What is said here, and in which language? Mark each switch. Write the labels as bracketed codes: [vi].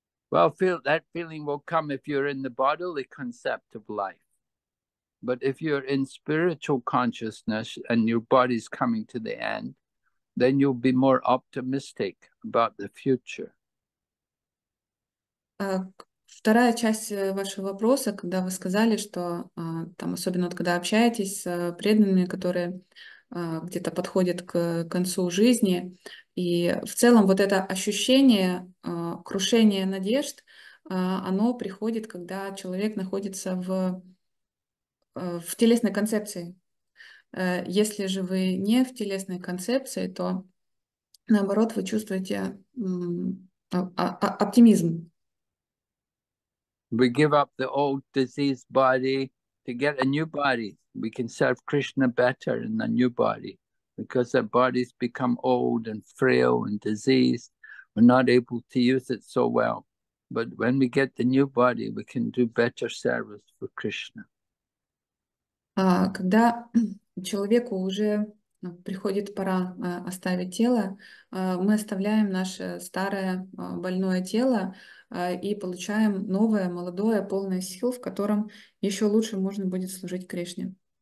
[en] Well, that feeling will come if you're in the bodily concept of life. But if you're in spiritual consciousness and your body's coming to the end, then you'll be more optimistic about the future. [ru] Вторая часть вашего вопроса, когда вы сказали, что там особенно вот, когда общаетесь с преданными, которые где-то подходят к концу жизни, и в целом вот это ощущение крушения надежд, оно приходит, когда человек находится в телесной концепции. Если же вы не в телесной концепции, то наоборот вы чувствуете оптимизм. [en] We give up the old diseased body to get a new body. We can serve Krishna better in the new body because our bodies become old and frail and diseased. We're not able to use it so well. But when we get the new body, we can do better service for Krishna. [ru] Когда человеку уже приходит пора оставить тело, мы оставляем наше старое больное тело и получаем новое, молодое, полное сил, в котором еще лучше можно будет служить Кришне.